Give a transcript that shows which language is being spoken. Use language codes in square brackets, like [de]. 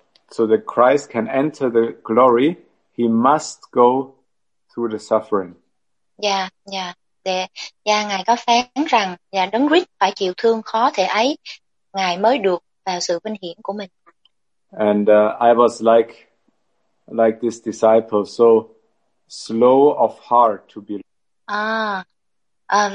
[en] So that Christ can enter the glory, he must go through the suffering. Yeah, yeah. [vi] Yeah, ngài có phán rằng và đấng Christ phải chịu thương khó thể ấy ngài mới được vào sự vinh hiển của mình. [en] And I was like this disciple, so slow of heart to believe.